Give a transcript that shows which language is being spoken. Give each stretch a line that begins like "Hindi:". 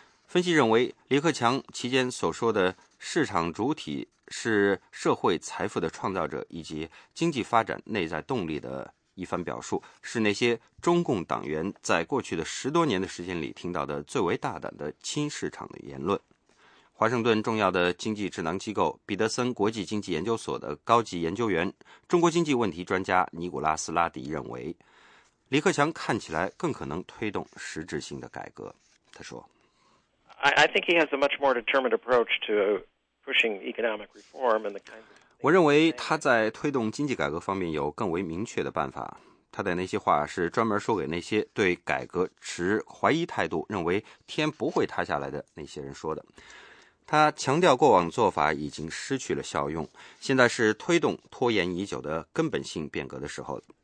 Chinese: 分析认为，李克强期间所说的市场主体是社会财富的创造者以及经济发展内在动力的一番表述，是那些中共党员在过去的十多年的时间里听到的最为大胆的亲市场的言论。华盛顿重要的经济智囊机构彼得森国际经济研究所的高级研究员、中国经济问题专家尼古拉斯·拉迪认为，李克强看起来更可能推动实质性的改革。他说，
English: I think he has a much more determined approach to pushing economic reform and the kind of...
Chinese: 我认为他在推动经济改革方面有更为明确的办法。他的那些话是专门说给那些对改革持怀疑态度，认为天不会塌下来的那些人说的。他强调过往做法已经失去了效用，现在是推动拖延已久的根本性变革的时候。